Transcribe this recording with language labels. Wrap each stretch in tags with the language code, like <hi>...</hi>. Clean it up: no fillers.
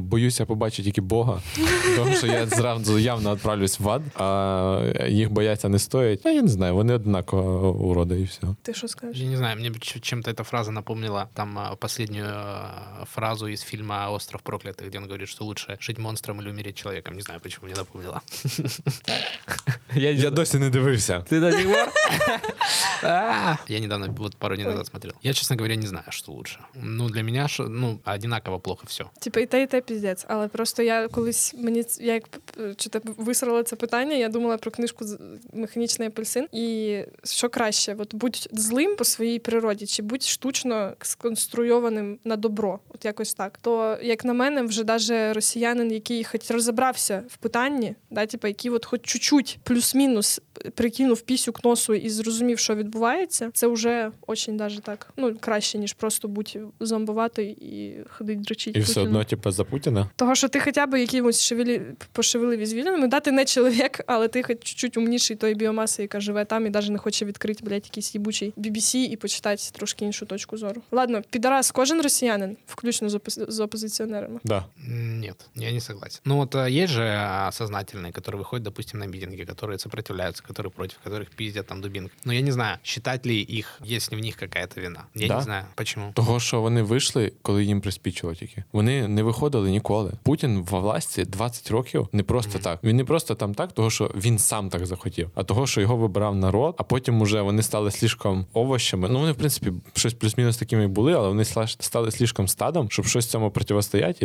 <uk>боюся побачити тільки Бога, тому що я зразу явно відправлюсь в ад, а їх бояться не стоїть. А я не знаю, вони однаково уроди і все. Ти що скажеш? Я не знаю, мені чим-то ця фраза напомнила там останню фразу із фільму «Остров проклятих», де він говорить, що лучше жити монстром або вміти чоловіком. Не знаю, чому мені напомнила. Я досі не дивився. Ти до сих пор?</uk> <ru>Я недавно, вот пару дней назад смотрел. Я, честно говоря, не знаю, что лучше. Ну, для меня, ну, одинаково плохо все. Типа и та пиздец.</ru> <uk>Але просто я колись, мені, я як что-то висрала це питання, я думала про книжку «Механічний апельсин». І що краще, вот будь злим по своїй природі, чи будь штучно сконструйованим на добро, от якось так. То, як на мене, вже даже росіянин, який хоч розібрався в питанні, да, типа, який вот хоч чуть-чуть плюс-мінус прикинув пісю к носу і зрозумів, що відбувається, це вже очень даже так, ну, краще, ніж просто бути зомбувати і ходить дрочити. І все одно, типу, за Путіна? Того, що ти хоча б якимось пошевеливі звільненими, да, ти не чоловік, але ти хоч чуть-чуть умніший тої біомаси, яка живе там і даже не хоче відкрити, блядь, якийсь їбучий BBC і почитати трошки іншу точку зору. Ладно, підарас кожен росіянин, включно з опозиціонерами? Да. Ні, я не согласен. Ну, от є же сознательні, які виходять, допустим, на мітинги, які сопротивляються, які проти, яких піздять там дубинки.</uk> <ru>Ну, я не знаю, считать ли их, есть ли в них какая-то вина. Я да? не знаю, почему.</ru> <uk>Того, що вони вийшли, коли їм приспічило тільки. Вони не виходили ніколи. Путін во власті 20 років не просто так. Він не просто там так, того, що він сам так захотів, а того, що його вибрав народ, а потім уже вони стали слишком овощами. Ну, вони, в принципі, щось плюс-мінус такими були, але вони стали слишком стадом, щоб щось цьому противостояти.</uk>